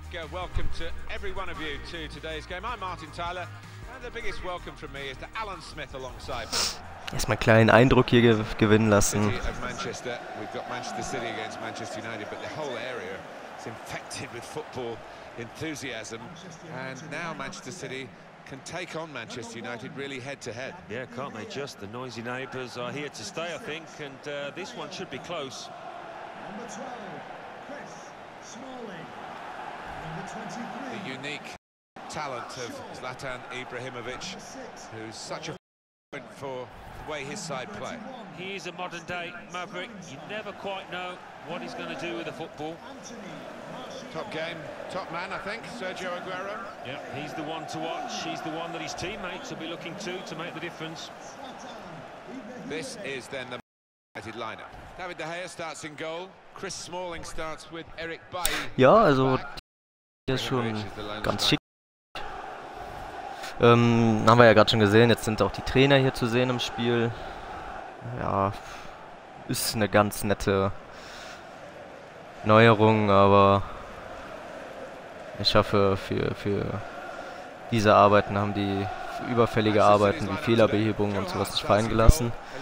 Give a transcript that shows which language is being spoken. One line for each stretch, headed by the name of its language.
English: Welcome to every one of you to today's game. I'm Martin Tyler and the biggest welcome from me is to Alan Smith alongside.
German: Erstmal einen kleinen Eindruck hier gewinnen lassen.
English: Manchester. We've got Manchester City against Manchester United, but the whole area is infected with football enthusiasm and now Manchester City can take on Manchester United really head to head. Yeah, can't they just? The noisy neighbors are here to stay, I think, and this one should be close. Number 12, Chris Smalling. Number 23. The unique talent of Zlatan Ibrahimovic, who's such a point for the way his side play. He is a modern day maverick. You never quite know what he's going to do with the football. Top game, top man, I think, Sergio Aguero. Yeah, he's the one to watch. He's the one that his teammates will be looking to make the difference. This is then the United lineup. David De Gea starts in goal. Chris Smalling starts with Eric Bailly.
German: Ja, also der ist schon ganz schick. Haben wir ja gerade schon gesehen. Jetzt sind auch die Trainer hier zu sehen im Spiel. Ja, ist eine ganz nette Neuerung, aber ich hoffe, für diese Arbeiten haben die überfällige Arbeiten wie Fehlerbehebungen und sowas nicht fallen gelassen.